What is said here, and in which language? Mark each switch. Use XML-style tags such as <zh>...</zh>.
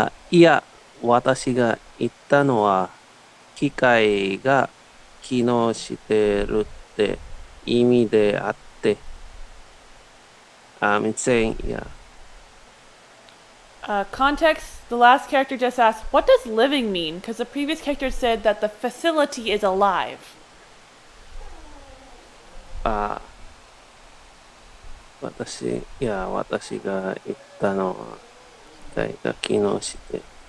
<ja>いや、私が言ったのは、機械が機能してるって意味であって。</ja> <en>I'm saying, yeah. Context, the last character just asked, what does living mean? Because the previous character said that the facility is alive.</en> <ja>私が言ったのは、機械が機能して。</ja>